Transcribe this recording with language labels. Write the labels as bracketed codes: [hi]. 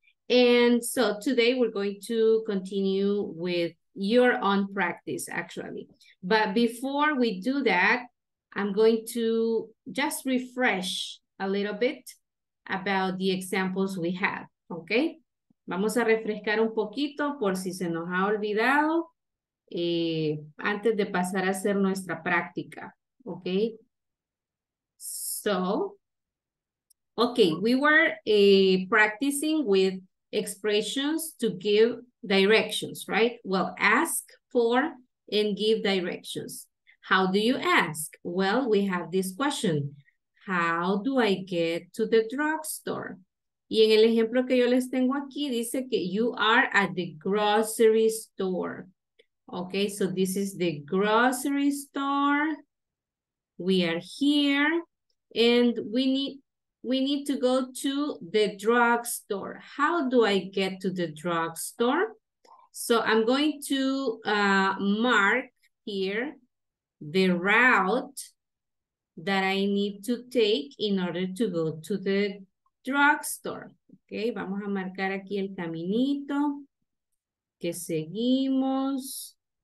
[en] And so today we're going to continue with your own practice, actually. But before we do that, I'm going to just refresh a little bit about the examples we have, okay? [es] Vamos a refrescar un poquito por si se nos ha olvidado antes de pasar a hacer nuestra práctica, okay? [en] So, okay, we were practicing with expressions to give directions, right? Well, ask for and give directions. How do you ask? Well, we have this question. How do I get to the drugstore? [es] Y en el ejemplo que yo les tengo aquí, dice que [en] you are at the grocery store. Okay, so this is the grocery store. We are here and we need to go to the drugstore. How do I get to the drugstore? So I'm going to mark here the route that I need to take in order to go to the drugstore. [es] Ok, vamos a marcar aquí el caminito que seguimos.